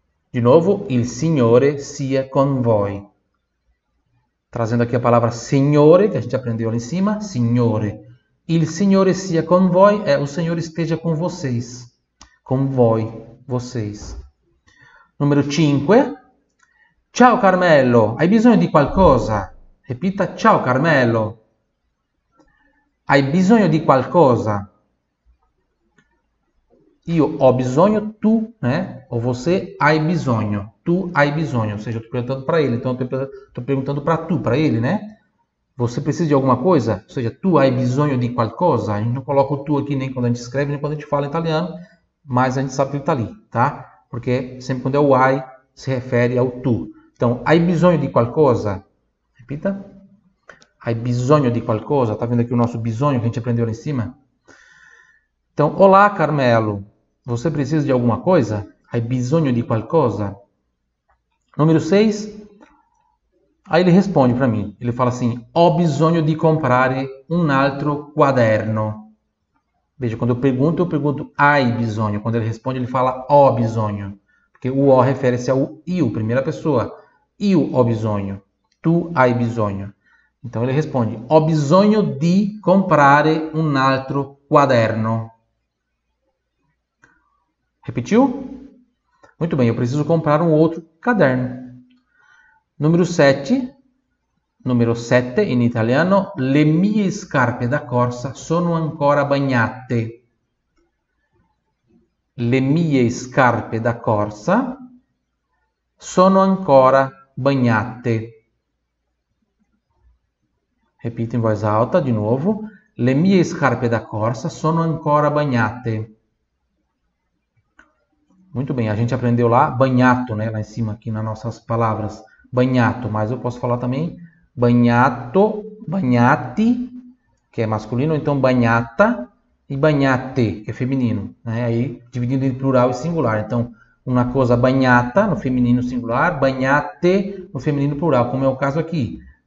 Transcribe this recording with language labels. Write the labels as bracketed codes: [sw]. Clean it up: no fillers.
[pt] De novo, [it] il signore sia con voi. [pt] Trazendo aqui a palavra signore, que a gente aprendeu ali em cima, signore. [it] Il Signore sia con voi, [pt] é o Senhor esteja com vocês. [it] Con voi, [pt] vocês. [it] Numero 5. Ciao Carmelo, hai bisogno di qualcosa? [pt] Repita, [it] ciao Carmelo. Hai bisogno di qualcosa? [pt] Io ho bisogno, tu, né? Ou você, hai bisogno. Tu hai bisogno, ou seja, eu estou perguntando para ele, então eu estou perguntando para tu, para ele, né? Você precisa de alguma coisa? Ou seja, [it] tu hai bisogno di qualcosa? [pt] A gente não coloca o tu aqui nem quando a gente escreve, nem quando a gente fala italiano, mas a gente sabe que ele está ali, tá? Porque sempre quando é o hai, se refere ao tu. [it] Então, hai bisogno di qualcosa? [pt] Repita. [it] Hai bisogno di qualcosa? [pt] Tá vendo aqui o nosso bisogno que a gente aprendeu lá em cima? Então, olá, Carmelo. Você precisa de alguma coisa? [it] Hai bisogno di qualcosa? [pt] Número 6. Aí ele responde para mim. Ele fala assim: [it] Ho bisogno di comprare un altro quaderno. [pt] Veja, quando eu pergunto [it] hai bisogno. [pt] Quando ele responde, ele fala ho bisogno. Porque o ho refere-se ao io, primeira pessoa. [it] Io ho bisogno. Tu hai bisogno. [pt] Então ele responde: [it] Ho bisogno di comprare un altro quaderno. [pt] Repetiu? Muito bem, eu preciso comprar um outro caderno. Número 7. [it] Número 7 in italiano, le mie scarpe da corsa sono ancora bagnate. Le mie scarpe da corsa sono ancora bagnate. Repito in voce alta di nuovo, le mie scarpe da corsa sono ancora bagnate. [pt] Muito bem, a gente aprendeu lá bagnato, né, lá em cima aqui nas nossas palavras. Bagnato, mas eu posso falar também bagnato, bagnati, que é masculino, então bagnata e bagnate, que é feminino, né? Aí dividindo em plural e singular. Então, uma coisa bagnata no feminino singular, bagnate no feminino plural, como é o caso aqui.